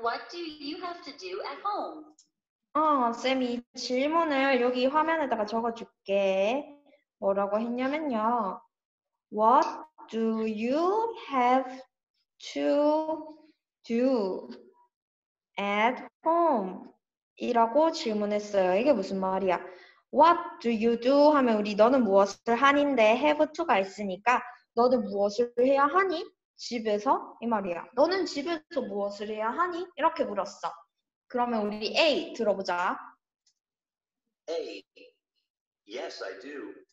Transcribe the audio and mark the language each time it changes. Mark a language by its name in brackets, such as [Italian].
[English] What do you have to do at home? [Korean] 쌤이 질문을 여기 화면에다가 적어줄게. 뭐라고 했냐면요. [English] What do you have to do at home? [Korean] 이라고 질문했어요. 이게 무슨 말이야? [English] What do you do? [Korean] 하면 우리 너는 무엇을 하는데 have to가 있으니까 너는 무엇을 해야 하니? 집에서? 이 말이야. 너는 집에서 무엇을 해야 하니? 이렇게 물었어. 그러면 우리 A 들어보자. [English] A. Yes, I do.